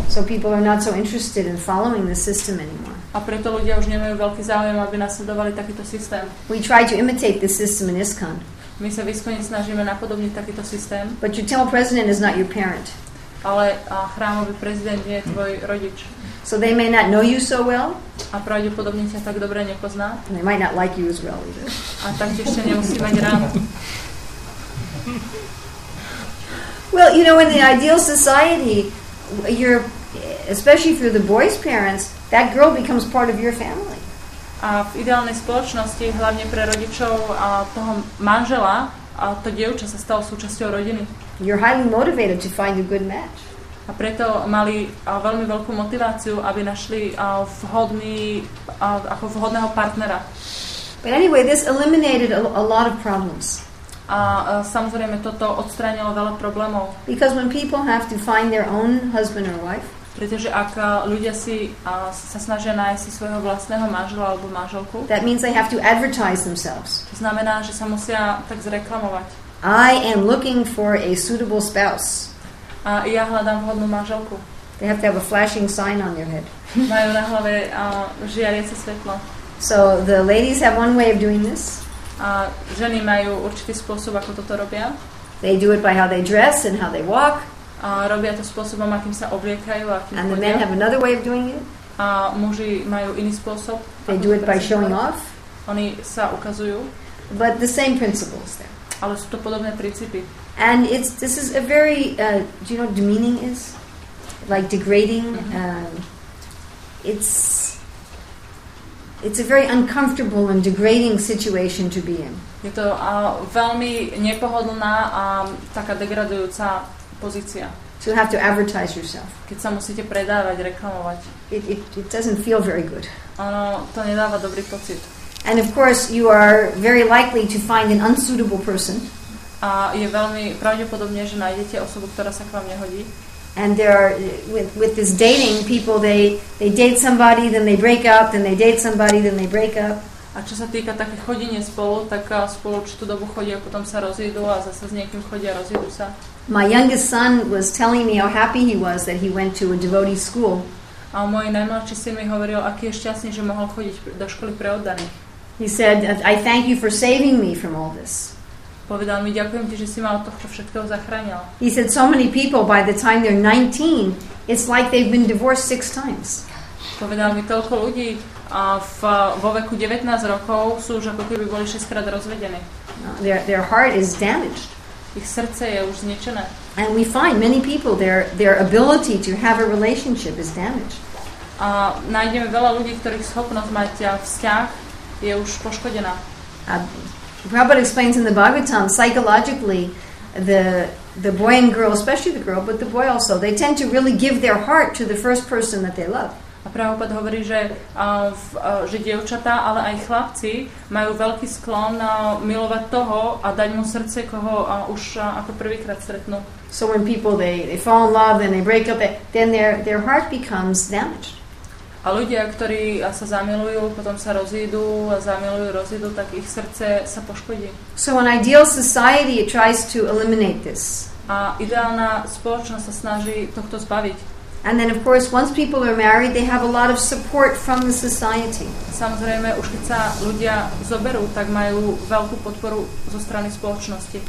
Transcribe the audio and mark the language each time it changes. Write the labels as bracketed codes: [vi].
[en] So people are not so interested in following the system anymore. [sk] A preto ľudia už nemajú veľký záujem, aby nasledovali takýto systém. [en] We try to imitate the system in ISKCON. [sk] My sa v ISKCONe snažíme napodobniť takýto systém. [en] But your temple president is not your parent. [sk] Ale chrámový prezident nie je tvoj rodič. [en] So they may not know you so well. [sk] A pravdepodobne ťa tak dobre nepozná. [en] They might not like you as well either. [sk] A tak ti ešte nemusí mať rád. [en] Well, you know, in the ideal society, you're, especially if you're the boy's parents, that girl becomes part of your family. [sk] A v ideálnej spoločnosti, hlavne pre rodičov a toho manžela, a to dievča sa stalo súčasťou rodiny. [en] You're highly motivated to find a good match. [sk] A preto mali veľmi veľkú motiváciu, aby našli ako vhodného partnera. [en] But anyway, this eliminated a lot of problems. [sk] A samozrejme toto odstránilo veľa problémov. [en] Because when people have to find their own husband or wife, [sk] pretože ak ľudia si sa snažia nájsť si svojho vlastného manžela alebo manželku, [en] that means they have to advertise themselves. [sk] To znamená, že sa musia tak zreklamovať. [en] I am looking for a suitable spouse. [sk] A ja hľadám vhodnú manželku. [en] They have to have a flashing sign on their head. [sk] Majú na hlave žiariace svetlo. [en] So the ladies have one way of doing this. [sk] A ženy majú určitý spôsob, ako toto robia. [en] They do it by how they dress and how they walk. [sk] A robia to spôsobom, akým sa obliekajú. Akým [en] and the men have another way of doing it. [sk] A muži majú iný spôsob. [en] They do it by showing off. [sk] Oni sa ukazujú. [en] But the same principles there. [sk] Ale sú to podobné princípy. [en] And it's this is a very do you know what demeaning is? Like degrading. Mm-hmm. It's a very uncomfortable and degrading situation to be in. [sk] Je to veľmi nepohodlná a taká degradujúca pozícia. [en] To have to advertise yourself. [sk] Keď sa musíte predávať, reklamovať. [en] It doesn't feel very good. [sk] Ono to nedáva dobrý pocit. [en] And of course you are very likely to find an unsuitable person. [sk] A je veľmi pravdepodobné, že nájdete osobu, ktorá sa k vám nehodí. [en] And there are with this dating people they date somebody then they break up then they date somebody then they break up. [sk] A čo sa týka také chodenie spolu, tak spolu určitú dobu chodí a potom sa rozídu a zase s niekým chodí a rozídu sa. [en] My youngest son was telling me how happy he was that he went to a devotee school. [sk] A môj najmladší syn mi hovoril, aký je šťastný, že mohol chodiť do školy pre oddaných. [en] He said, I thank you for saving me from all this. [sk] Povedal mi, ďakujem ti, že si ma od tohto všetkého zachránil. [en] He said, so many people, by the time they're 19, it's like they've been divorced 6 times. [sk] Povedal mi, toľko ľudí vo veku 19 rokov sú už ako keby boli 6 krát rozvedení. [en] Their heart is damaged. [sk] Ich srdce je už zničené. [en] And we find many people, their ability to have a relationship is damaged. [sk] A nájdeme veľa ľudí, ktorých schopnosť mať vzťah je už poškodená. [en] Prabhupada explains in the Bhagavatam, psychologically, the boy and girl, especially the girl, but the boy also, they tend to really give their heart to the first person that they love. [sk] A Prabhupada hovorí, že dievčatá, ale aj chlapci majú veľký sklon milovať toho a dať mu srdce, koho už ako prvýkrát stretnú. [en] So when people, they fall in love, then they break up, then their heart becomes damaged. [sk] A ľudia, ktorí sa zamilujú, potom sa rozídu, a zamilujú, rozídu, tak ich srdce sa poškodí. [en] So an ideal society tries to eliminate this. [sk] A ideálna spoločnosť sa snaží tohto zbaviť. [en] And then of course once people are married they have a lot of support from the society. [sk] Samozrejme už keď sa ľudia zoberú, tak majú veľkú podporu zo strany spoločnosti.